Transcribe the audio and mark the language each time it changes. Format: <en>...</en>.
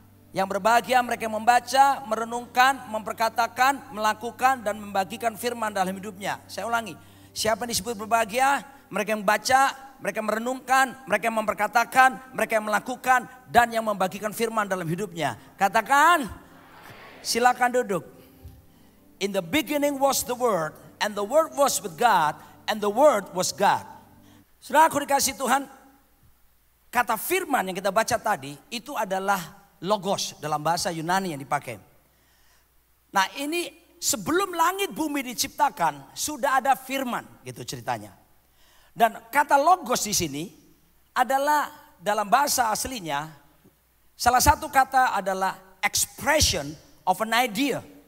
<id>Yang berbahagia mereka yang membaca, merenungkan, memperkatakan, melakukan dan membagikan firman dalam hidupnya. Saya ulangi. Siapa yang disebut berbahagia? Mereka yang baca, mereka merenungkan, mereka yang memperkatakan, mereka yang melakukan dan yang membagikan firman dalam hidupnya. Katakan. Silakan duduk.</id> <en>In the beginning was the Word, and the Word was with God, and the Word was God.</en> <id>Sudah aku dikasih Tuhan, kata firman yang kita baca tadi, itu adalah logos dalam bahasa Yunani yang dipakai. Nah ini sebelum langit bumi diciptakan, sudah ada firman gitu ceritanya. Dan kata logos di sini adalah dalam bahasa aslinya, salah satu kata adalah</id> <en>expression of an idea.</en>